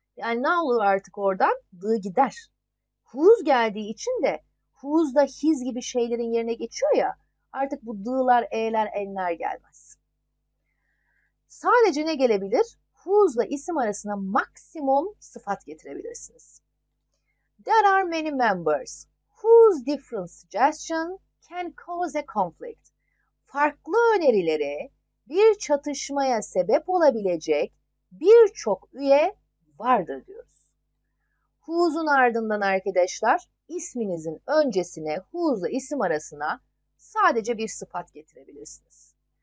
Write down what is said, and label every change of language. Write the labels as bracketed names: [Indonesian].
[Turkish] Yani ne olur artık oradan the gider. Who's geldiği için de who's da his gibi şeylerin yerine geçiyor ya. Artık bu the'lar, e'ler, n'ler gelmez. Sadece ne gelebilir? Who's'la isim arasına maksimum sıfat getirebilirsiniz. [English] There are many members whose different suggestion can cause a conflict. [Turkish] Farklı önerileri bir çatışmaya sebep olabilecek birçok üye vardır diyoruz. Who's'un ardından arkadaşlar isminizin öncesine who's'la isim arasına sadece bir sıfat getirebilirsiniz.